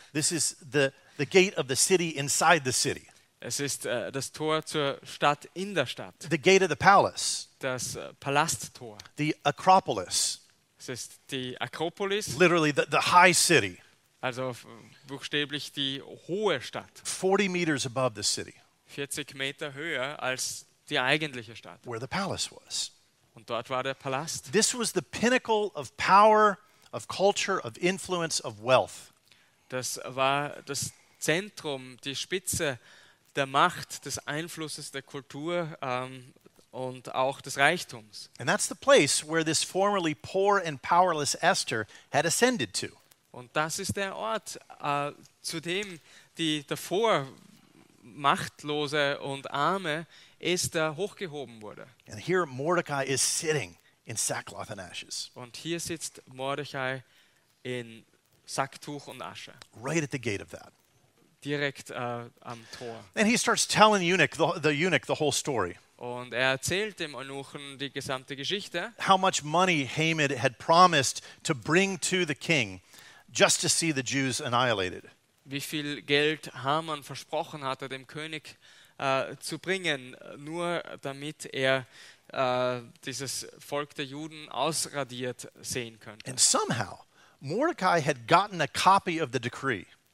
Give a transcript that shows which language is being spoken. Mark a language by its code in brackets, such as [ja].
[en] This is the gate of the city inside the city. [de] Es ist das Tor zur Stadt in der Stadt. [en] The gate of the palace. [de] Das Palasttor. [en] The Acropolis. [de] Es ist die Akropolis. [en] Literally the high city. [de] Also buchstäblich die hohe Stadt. [en] 40 meters above the city. [de] 40 Meter höher als die eigentliche Stadt. [en] Where the palace was. [de] Und dort war der Palast. [en] This was the pinnacle of power, of culture, of influence, of wealth. [de] Das war das Zentrum, die Spitze der Macht, des Einflusses, der Kultur und auch des Reichtums. [en] And that's the place where this formerly poor and powerless Esther had ascended to. [de] Und das ist der Ort, zu dem die davor machtlose und arme Esther hochgehoben wurde. [en] And here Mordechai is sitting in sackcloth and ashes. [de] Und hier sitzt Mordechai in Sacktuch und Asche. [en] Right at the gate of that. [de] Direkt am Tor. [en] And he starts telling the eunuch the whole story. [de] Und erzählt dem Eunuchen die gesamte Geschichte. [en] How much money Haman had promised to bring to the king just to see the Jews annihilated. [de] Wie viel Geld Haman versprochen hatte dem König zu bringen, nur damit er dieses Volk der Juden ausradiert sehen könnte. [en] And somehow Mordechai had gotten a copy of the decree.